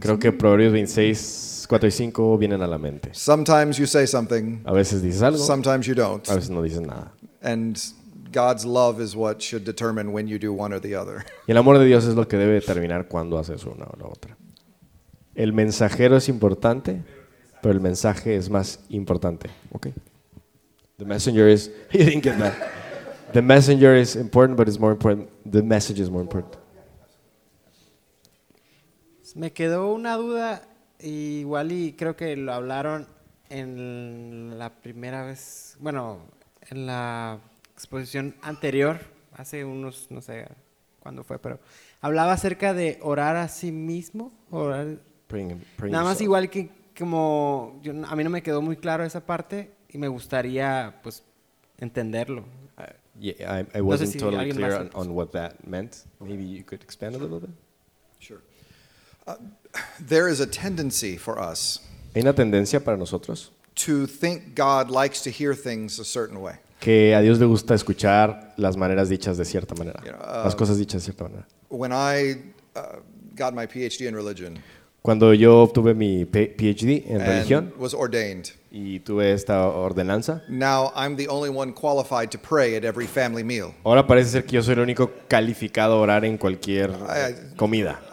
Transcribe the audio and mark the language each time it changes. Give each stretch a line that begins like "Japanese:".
Spanish: Creo que Proverbios 26:4-5 vienen a la mente.
English: Sometimes you say something.
Spanish: A veces dices algo.
English: Sometimes you don't.
Spanish: A veces no dices nada.
English: And God's love is what should determine when you do one or the other.
Spanish: Y el amor de Dios es lo que debe determinar cuando haces una o la otra. El mensajero es importante, pero el mensaje es más importante.
English: Okay. The messenger is. He didn't get that. The messenger is important, but it's more important. The message is more important.
Spanish: Me quedó una duda, igual y creo que lo hablaron en la primera vez, bueno, en la exposición anterior, hace unos, no sé cuándo fue, pero hablaba acerca de orar a sí mismo, orar,
English: praying
Spanish: nada más igual que como, yo, a mí no me quedó muy claro esa parte y me gustaría pues entenderlo.
English: Yeah, I wasn't
Spanish: no sé si
English: totally clear on what that meant. Maybe you could expand a little bit. Sure. There is a tendency for us.
Spanish: Hay una tendencia para nosotros.
English: To think God likes to hear things a certain way.
Spanish: Que a Dios le gusta escuchar las maneras dichas de cierta manera.
English: You know,
Spanish: las cosas dichas de cierta manera.
English: When I got my PhD in religion.
Spanish: Cuando yo obtuve mi PhD en religión.
English: And was ordained.
Spanish: Y tuve esta ordenanza.
English: Now I'm the only one qualified to pray at every family meal.
Spanish: Ahora parece ser que yo soy el único calificado a orar en cualquier comida familiar.